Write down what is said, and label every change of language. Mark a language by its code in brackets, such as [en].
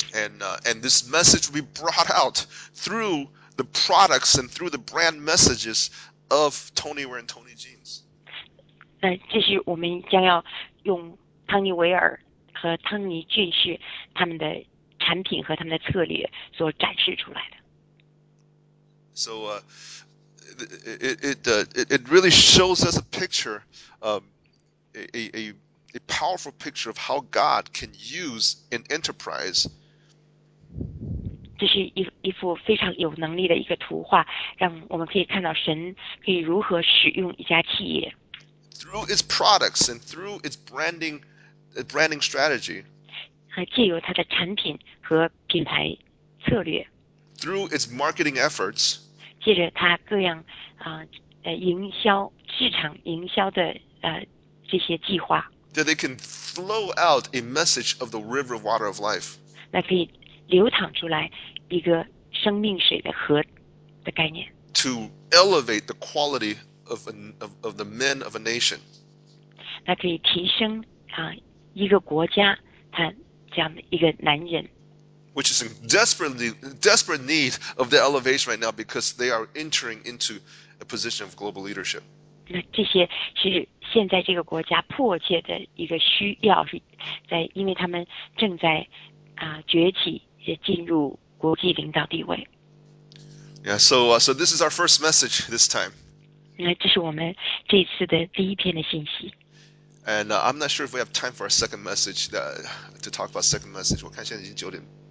[en] And this message will be brought out through the products and through the brand messages of Tony Wear and Tony Jeans. [zh] 那这是我们将要用汤尼维尔和汤尼俊士他们的产品和他们的策略所展示出来的。 [en] So, It really shows us a picture, a powerful picture of how God can use an enterprise. [zh] 这是一幅非常有能力的一个图画，让我们可以看到神可以如何使用一家企业。 [en] Through its products and through its branding strategy. [zh] 借由它的产品和品牌策略。 [en] Through its marketing efforts. [zh] 借着他各样营销市场营销的这些计划 [en] that they can flow out a message of the river of water of life [zh] 那可以流淌出来一个生命水的河的概念 [en] to elevate the quality of the men of a nation [zh] 那可以提升一个国家他这样的一个男人 [en] Which is in desperate need of the elevation right now because they are entering into a position of global leadership. [zh] 那这些是现在这个国家迫切的一个需要，是在因为他们正在崛起，也进入国际领导地位。 [en] Yeah, so this is our first message this time. [zh] 那这是我们这次的第一篇的信息。 [en] And I'm not sure if we have time for our second message to talk about second message. [zh] 我看现在已经9点。